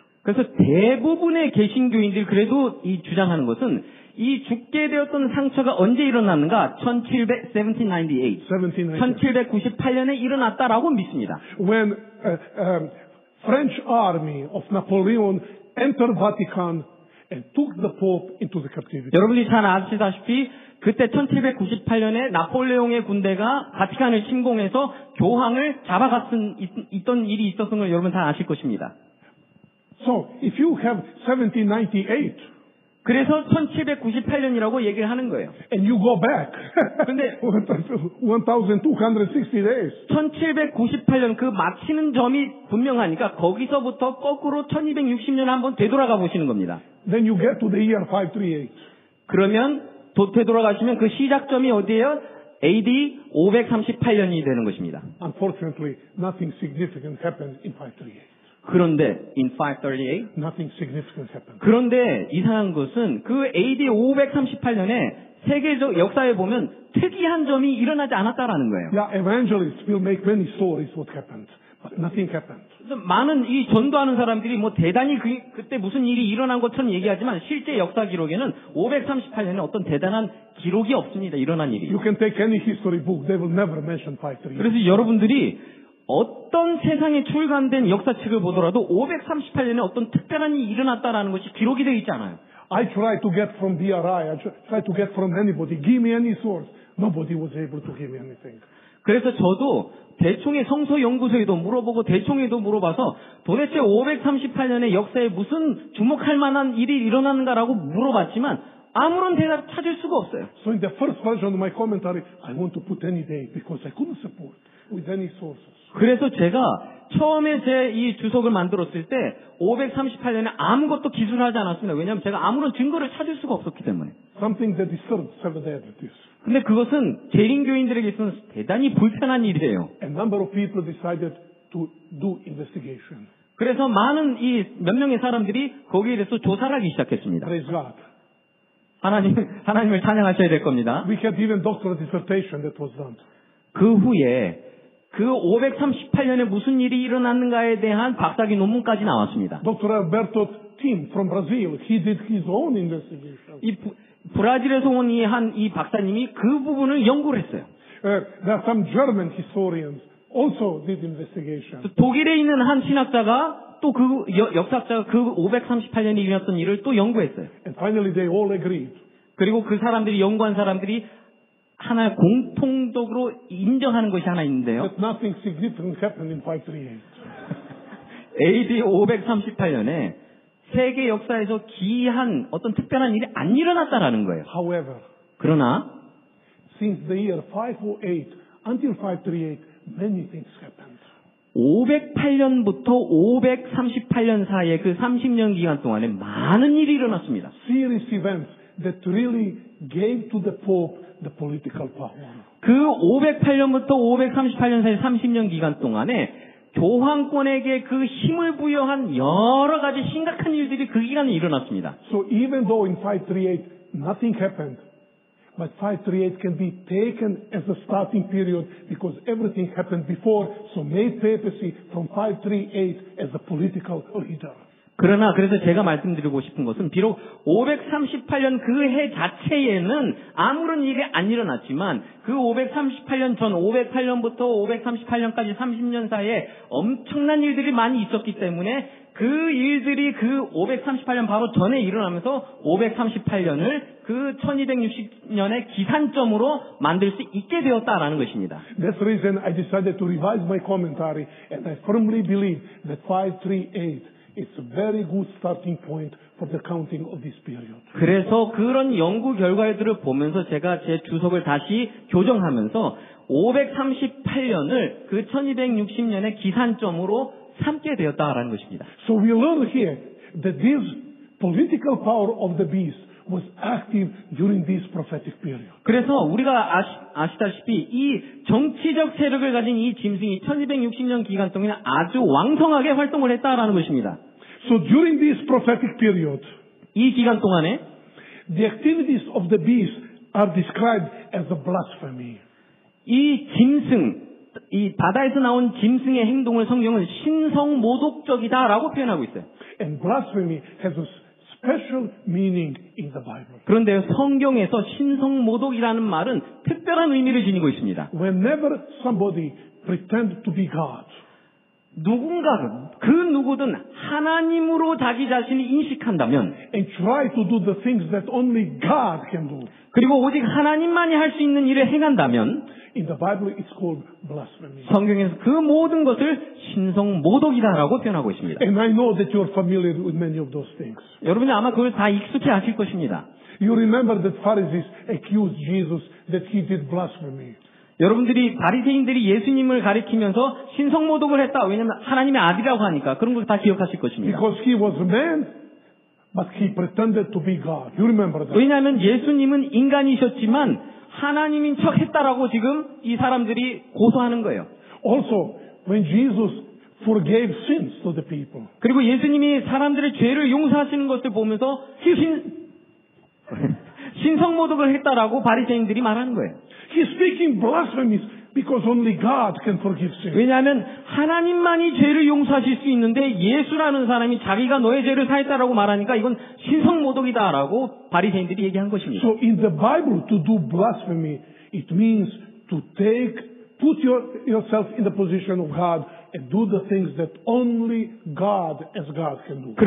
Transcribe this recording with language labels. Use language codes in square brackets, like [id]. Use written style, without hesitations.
[ko] 그래서 대부분의 개신교인들 그래도 이 주장하는 것은 이 죽게 되었던 상처가 언제 일어났는가? 1798년에 일어났다라고 믿습니다. [en] When French army of Napoleon entered Vatican and took the Pope into the captivity. [ko] 여러분이 잘 아시다시피 그때 1798년에 나폴레옹의 군대가 바티칸을 침공해서 교황을 잡아갔은 있던 일이 있었던 걸 여러분 다 아실 것입니다. [en] So if you have 1798. [ko] 그래서 1798년이라고 얘기를 하는 거예요. [en] And you go back. [ko] 근데 [en] 1260 days. [ko] 1798년 그 마치는 점이 분명하니까 거기서부터 거꾸로 1260년 한번 되돌아가 보시는 겁니다. [en] Then you get to the year 538. [ko] 그러면 되돌아가시면 그 시작점이 어디예요? AD 538년이 되는 것입니다. [en] Unfortunately, nothing significant happened in 538. [ko] 그런데 [en] in 538 nothing significant happened. [ko] 그런데 이상한 것은 그 AD 538년에 세계적 역사에 보면 특이한 점이 일어나지 않았다라는 거예요. [en] Yeah, evangelists will make many stories what happened, but nothing happened. [ko] 많은 이 전도하는 사람들이 뭐 대단히 그때 무슨 일이 일어난 것처럼 얘기하지만 실제 역사 기록에는 538년에 어떤 대단한 기록이 없습니다. 일어난 일이. [en] You can take any history book, they will never mention 538. [ko] 그래서 여러분들이 어떤 세상에 출간된 역사책을 보더라도 538년에 어떤 특별한 일이 일어났다라는 것이 기록이 되어 있지 않아요. [en] I try to get from BRI, I try to get from anybody, give me any source. Nobody was able to give me anything. [ko] 그래서 저도 대충의 성서 연구소에도 물어보고 대충에도 물어봐서 도대체 538년의 역사에 무슨 주목할 만한 일이 일어났는가라고 물어봤지만 아무런 대답 찾을 수가 없어요. [en] So in the first version of my commentary, I want to put any date because I couldn't support with any sources. [ko] 그래서 제가 처음에 제 이 주석을 만들었을 때 538년에 아무것도 기술하지 않았습니다. 왜냐하면 제가 아무런 증거를 찾을 수가 없었기 때문에. [en] Something that disturbed Seventh-day Adventists. [ko] 근데 그것은 개신교인들에게 있어서 대단히 불편한 일이에요. [en] A number of people decided to do investigation. [ko] 그래서 많은 이 몇 명의 사람들이 거기에 대해서 조사를 하기 시작했습니다. [en] Praise God. [ko] 하나님을 찬양하셔야 될 겁니다. [en] We had even doctoral dissertation that was done. [ko] 그 후에 그 538년에 무슨 일이 일어났는가에 대한 박사기 논문까지 나왔습니다. [en] Dr. Alberto Tim from Brazil, he did his own investigation. [ko] 이 브라질에서 온 이 박사님이 그 부분을 연구를 했어요. [en] There are some German historians also did investigation. [ko] 독일에 있는 한 신학자가 또 그 역사학자가 그 538년에 일어났던 일을 또 연구했어요. [en] And finally they all agreed. [ko] 그리고 그 사람들이 연구한 사람들이 하나 공통적으로 인정하는 것이 하나 있는데요. [en] That nothing significant happened in 538. [ko] AD 538년에 세계 역사에서 기이한 어떤 특별한 일이 안 일어났다라는 거예요. [en] However, [ko] 그러나 [en] since the year 508 until 538 many things happened. [ko] 508년부터 538년 사이에 그 30년 기간 동안에 많은 일이 일어났습니다. [en] Serious events that really gave to the Pope the political power. [ko] 그 508년부터 538년 사이 30년 기간 동안에 교황권에게 그 힘을 부여한 여러 가지 심각한 일들이 그 기간에 일어났습니다. [en] So even though in 538 nothing happened, but 538 can be taken as a starting period because everything happened before, so made papacy from 538 as a political leader. [ko] 그러나 그래서 제가 말씀드리고 싶은 것은 비록 538년 그 해 자체에는 아무런 일이 안 일어났지만 그 538년 전 508년부터 538년까지 30년 사이에 엄청난 일들이 많이 있었기 때문에 그 일들이 그 538년 바로 전에 일어나면서 538년을 그 1260년의 기산점으로 만들 수 있게 되었다라는 것입니다. [en] That's the reason I decided to revise my commentary and I firmly believe that 538 It's a very good starting point for the counting of this period. [ko] 그래서 그런 연구 결과들을 보면서 제가 제 주석을 다시 교정하면서 538년을 그 1260년의 기산점으로 삼게 되었다라는 것입니다. [en] So we learn here that this political power of the beast was active during this prophetic period. [ko] 그래서 우리가 아시다시피 이 정치적 세력을 가진 이 짐승이 1260년 기간 동안 아주 왕성하게 활동을 했다라는 것입니다. [en] So during this prophetic period, [ko] 이 기간 동안에, [en] the activities of the beast are described as a blasphemy. [ko] 이 짐승, 이 바다에서 나온 짐승의 행동을 성경은 신성모독적이다라고 표현하고 있어요. [en] And blasphemy has a special meaning in the Bible. [ko] 그런데 성경에서 신성모독이라는 말은 특별한 의미를 지니고 있습니다. [en] Whenever somebody pretend to be God, [ko] 누군가 그 누구든 하나님으로 자기 자신을 인식한다면 [en] and try to do the things that only God can do. [ko] 그리고 오직 하나님만이 할 수 있는 일을 행한다면 [en] in the Bible it's called blasphemy. [ko] 성경에서 그 모든 것을 신성모독이다라고 표현하고 있습니다. [en] And I know that you're familiar with many of those things. [ko] 여러분이 아마 그걸 다 익숙해 하실 것입니다. [en] You remember that Pharisees accused Jesus that he did blasphemy. [ko] 여러분들이 바리새인들이 예수님을 가리키면서 신성모독을 했다. 왜냐면 하나님의 아들이라고 하니까 그런 걸 다 기억하실 것입니다. [en] Because he was a man, but he pretended to be God. You remember that? [ko] 왜냐하면 예수님은 인간이셨지만 하나님인 척 했다라고 지금 이 사람들이 고소하는 거예요. [en] Also, when Jesus forgave sins to the people. [ko] 그리고 예수님이 사람들의 죄를 용서하시는 것을 보면서 신성모독을 했다라고 바리새인들이 말하는 거예요. [en] He's speaking blasphemies because only God can forgive sins. [ko] 왜냐하면 하나님만이 죄를 용서하실 수 있는데 예수라는 사람이 자기가 너의 죄를 사했다라고 말하니까 이건 신성모독이다라고 바리새인들이 얘기한 것입니다. [en] So in the Bible, to do blasphemy, it means to take, put yourself in the position of God and do the things that only God as God can do.